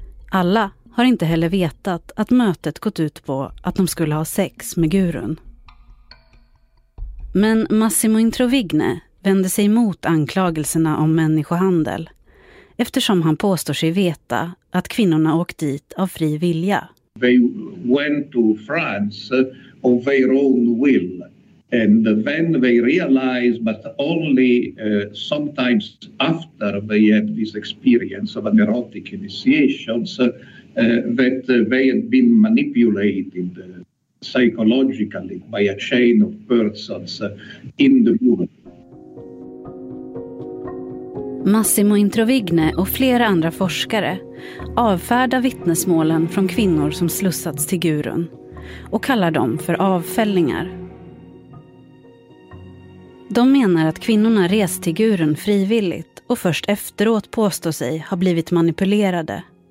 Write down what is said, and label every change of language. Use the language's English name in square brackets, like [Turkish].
[Swedish] Alla har inte heller vetat att mötet gått ut på att de skulle ha sex med gurun. Men Massimo Introvigne vände sig mot anklagelserna om människohandel eftersom han påstår sig veta att kvinnorna åkt dit av fri vilja. [English] They went to France of their own will, and then they realized, but only sometimes after they had this experience of an erotic initiation, that they had been manipulated psychologically by a chain of persons in the movement. [Swedish] Massimo Introvigne och flera andra forskare avfärdar vittnesmålen från kvinnor som slussats till gurun och kallar dem för avfällningar. De menar att kvinnorna rest till gurun frivilligt och först efteråt påstår sig ha blivit manipulerade.